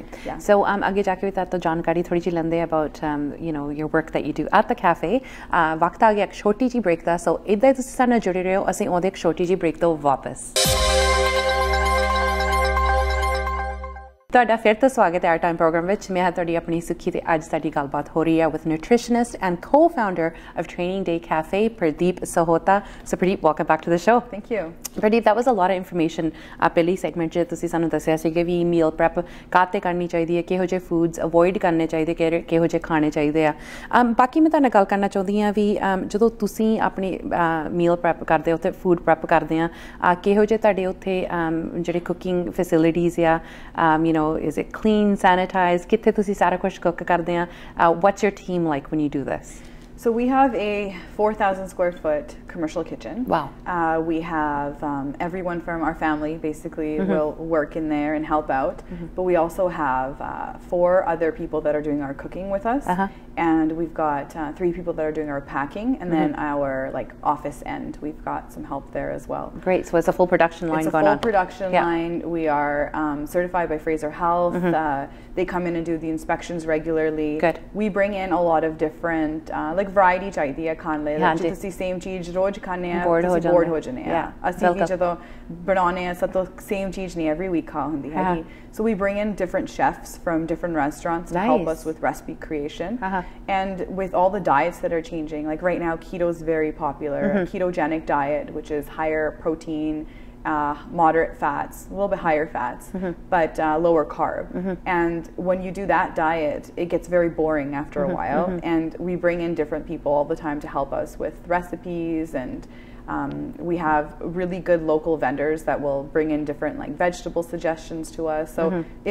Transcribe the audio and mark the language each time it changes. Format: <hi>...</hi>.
<en>great so</en> <pa>agge jaake vi tato jankari thodi ji lende</pa> <en>about you know your work that you do at the cafe</en> <pa>waqt aa gaya ek choti ji break da so idda tusi sanne jude rahe ho assi ohde ek choti ji break to wapas ਤੁਹਾਡਾ ਫਿਰ ਤੋਂ ਸਵਾਗਤ ਹੈ R time programme ਵਿੱਚ ਮੈਂ ਹਾਂ ਤੁਹਾਡੀ ਆਪਣੀ ਸੁੱਖੀ ਤੇ ਅੱਜ ਸਾਡੀ ਗੱਲਬਾਤ ਹੋ ਰਹੀ ਹੈ</pa> <en>with nutritionist and co-founder of Training Day Cafe</en> <pa>Pradeep Sahota</pa> <en>so Pradeep welcome back to the show thank you</en> <pa>Pradeep</pa> <en>that was a lot of information</en> <pa>ਆ ਪਹਿਲੀ ਸੈਗਮੈਂਟ 'ਚ ਤੁਸੀਂ ਸਾਨੂੰ ਦੱਸਿਆ ਸੀ ਕਿ ਵੀ ਮੀਲ ਪ੍ਰੈਪ ਕਾਹਤੇ ਕਰਨੀ ਚਾਹੀਦੀ ਹੈ ਕਿਹੋ ਜਿਹੇ ਫੂਡਸ ਅਵੋਇਡ ਕਰਨੇ ਚਾਹੀਦੇ ਕਿਹੋ ਜਿਹੇ ਖਾਣੇ ਚਾਹੀਦੇ ਆ ਬਾਕੀ ਮੈਂ ਤੁਹਾਡੇ ਨਾਲ ਗੱਲ ਕਰਨਾ ਚਾਹੁੰਦੀ ਹਾਂ ਵੀ ਜਦੋਂ ਤੁਸੀਂ ਆਪਣੀ ਮੀਲ ਪ੍ਰੈਪ ਕਰਦੇ ਹੋ ਤੇ ਫੂਡ ਪ੍ਰੈਪ ਕਰਦੇ ਆ ਆ ਕਿਹੋ ਜਿਹੇ ਤੁਹਾਡੇ ਉੱਥੇ ਜਿਹੜੇ ਕੁਕਿੰਗ ਫੈਸਿਲਿਟੀਜ਼ ਆ</pa> <en>you know is it clean sanitized</en> <pa>kithe tusi sara kuch cook karde ha</pa> <en>what's your team like when you do this so we have a 4000 square foot commercial kitchen wow we have everyone from our family basically will work in there and help out but we also have four other people that are doing our cooking with us and we've got three people that are doing our packing and then our like office end we've got some help there as well great so it's a full production line going on it's a full production line we are certified by Fraser Health they come in and do the inspections regularly good we bring in a lot of different like</en> <pa>variety ਚਾਹੀਦੀ ਹੈ ਖਾਣ ਲਈ ਜੇ ਤੁਸੀਂ same ਚੀਜ਼ ਰੋਜ਼ ਖਾਂਦੇ ਆ ਤੁਸੀਂ</pa> <en>bored</en> <pa>ਹੋ ਜਾਂਦੇ ਆ ਅਸੀਂ ਵੀ ਜਦੋਂ ਬਣਾਉਂਦੇ ਹਾਂ ਸਭ ਤੋਂ ਸੇਮ ਚੀਜ਼ ਨਹੀਂ ਐਵਰੀ ਵੀਕ ਖਾ ਹੁੰਦੀ ਹੈਗੀ</pa> <en>So we bring in different chefs from different restaurants to help us with recipe creation and with all the diets that are changing like right now keto is very popular ketogenic diet which is higher protein moderate fats, a little bit higher fats, mm-hmm. but lower carb. Mm-hmm. And when you do that diet, it gets very boring after mm-hmm. a while. Mm-hmm. And we bring in different people all the time to help us with recipes. And we have really good local vendors that will bring in different like vegetable suggestions to us. So mm-hmm.</en>